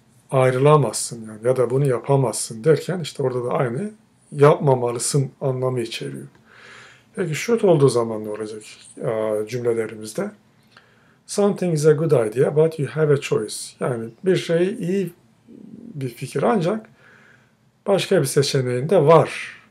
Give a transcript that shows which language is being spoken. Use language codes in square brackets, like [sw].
[tr] Ayrılamazsın yani, ya da bunu yapamazsın derken işte orada da aynı yapmamalısın anlamı içeriyor. Peki should olduğu zaman ne olacak cümlelerimizde? [en] Something is a good idea but you have a choice. [tr] Yani bir şey iyi bir fikir ancak başka bir seçeneğin de var.